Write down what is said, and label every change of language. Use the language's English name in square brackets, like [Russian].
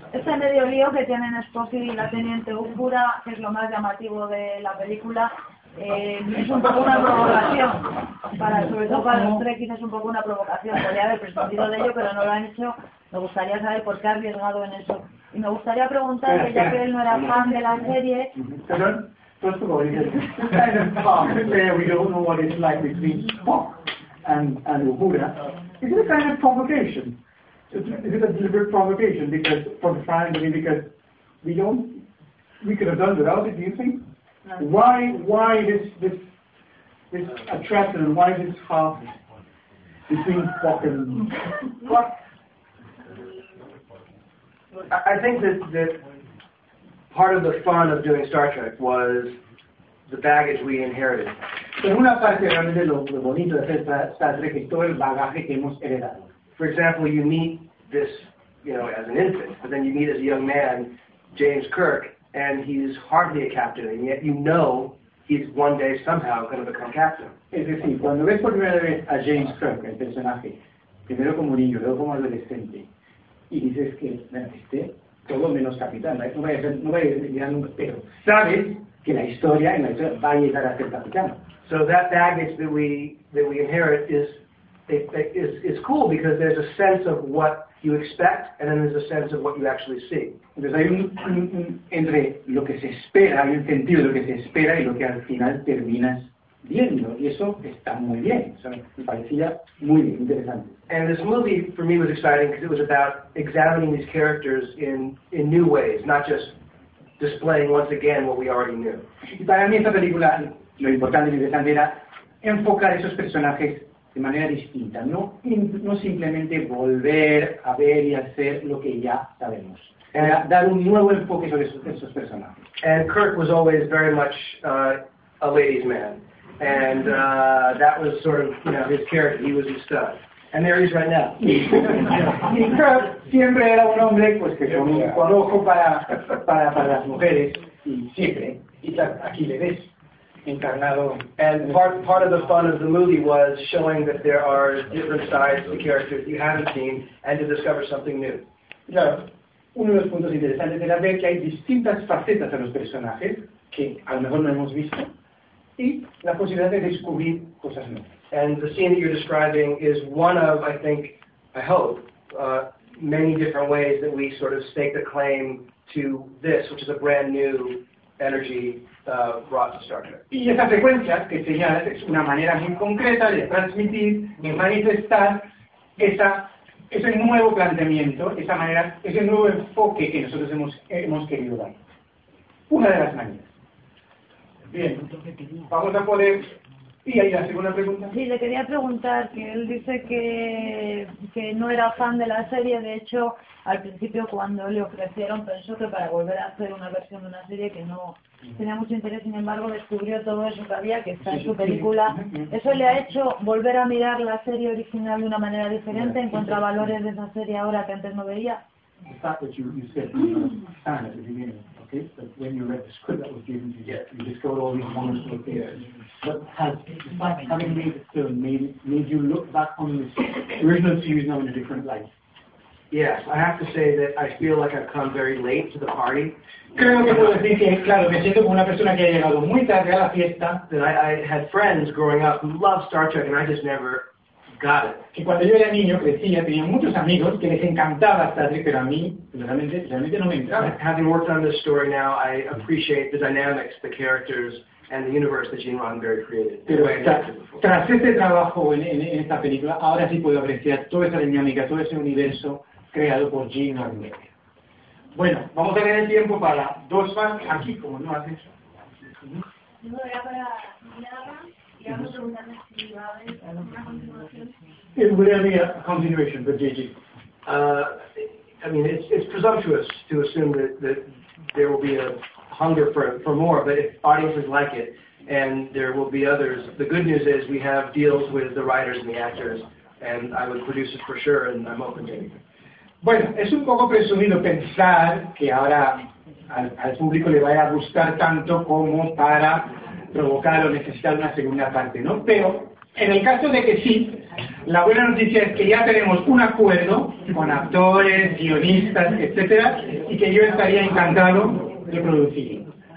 [Spanish] Ese medio lío que tienen Spock y la teniente Uhura, que es lo más llamativo de la película. Es un poco una provocación, sobre todo para los Trekkies es un poco una provocación, podría haber prescindido de ello, pero no lo han hecho, me gustaría saber por qué ha arriesgado en eso. Y me gustaría preguntar, ya que él no era fan de la serie... [English] Perdón, first of all, there we don't know what it's like between Spock and Uhura. Is it a kind of provocation? Is it a deliberate provocation because for the fans, because we could have done without it, do you think? Why this attraction and why this half between Spock and Spock? I think that part of the fun of doing Star Trek was the baggage we inherited. [Spanish] En una parte realmente lo bonito de hacer Star Trek es todo el bagaje que hemos heredado. [English] For example, you meet this, as an infant, but then you meet as a young man, James Kirk. And he's hardly a captain, and yet you know he's one day somehow going to become captain. [Spanish] Es decir, cuando ves por primera vez a James Kirk, el personaje, primero como niño, luego como adolescente, y dices que este todo menos capitán, no vaya a ser, pero sabes que la historia va a llegar a ser capitán. [English] So that baggage that we inherit is cool because there's a sense of what you expect, and then there's a sense of what you actually see. [Spanish] Entonces hay un entre lo que se espera, hay un sentido de lo que se espera y lo que al final terminas viendo, y eso está muy bien. O sea, me parecía muy bien, interesante. [English] And this movie for me was exciting because it was about examining these characters in new ways, not just displaying once again what we already knew. [Spanish] Y para mí esta película lo importante y interesante era enfocar esos personajes de manera distinta, no simplemente volver a ver y hacer lo que ya sabemos. Era dar un nuevo enfoque sobre esos personajes. [English] And Kirk was always very much a ladies' man, and that was sort of, you know, his character. He was a stud. And there he is right now. [Spanish] Y Kirk siempre era un hombre pues que con un ojo para las mujeres y siempre. Y aquí le ves. Encarnado. [English] And part of the fun of the movie was showing that there are different sides to characters you haven't seen and to discover something new. [Spanish] Claro, uno de los puntos interesantes era ver que hay distintas facetas a los personajes que a lo mejor no hemos visto y la posibilidad de descubrir cosas nuevas. [English] And the scene that you're describing is one of, I think, I hope, many different ways that we sort of stake the claim to this, which is a brand new energy brought to Star Trek. [Spanish] Y esa secuencia que señalas es una manera muy concreta de transmitir, de manifestar ese nuevo planteamiento, esa manera, ese nuevo enfoque que nosotros hemos querido dar. Una de las maneras. Bien, vamos a poder. Y ahí la segunda pregunta. Sí, le quería preguntar, que él dice que no era fan de la serie, de hecho, al principio cuando le ofrecieron, pensó que para volver a hacer una versión de una serie que no tenía mucho interés, sin embargo, descubrió todo eso que había, que está en su película. ¿Eso le ha hecho volver a mirar la serie original de una manera diferente, encuentra valores de esa serie ahora que antes no veía? [English] Okay, but when you read the script that was given to you, you discovered all these wonderful things. But has, despite having made the film, made you look back on this original series now in a different light? Yes, I have to say that I feel like I've come very late to the party. [Spanish] Creo que puedo decir que, claro, me siento como una persona que ha llegado muy tarde a la fiesta. [English] That I had friends growing up who loved Star Trek and I just never got it. [Spanish] Que cuando yo era niño crecía, tenía muchos amigos que les encantaba Star Trek, pero a mí realmente no me encantaba. [English] Having worked on this story now, I appreciate the dynamics, the characters, and the universe that Gene Roddenberry created. [Spanish] Pero tras este trabajo en esta película, ahora sí puedo apreciar toda esa dinámica, todo ese universo creado por Gene Roddenberry. Bueno, vamos a tener tiempo para dos más aquí, como no has hecho. [English] It would be a continuation, but JJ. I mean, it's presumptuous to assume that there will be a hunger for more, but if audiences like it, and there will be others, the good news is we have deals with the writers and the actors, and I would produce it for sure, and I'm open to anything. [Spanish] Bueno, es un poco presumido pensar que ahora al público le vaya a gustar tanto como para provocar o necesitar una segunda parte, ¿no? Pero en el caso de que sí, la buena noticia es que ya tenemos un acuerdo con actores, guionistas, etcétera, y que yo estaría encantado de producirlo.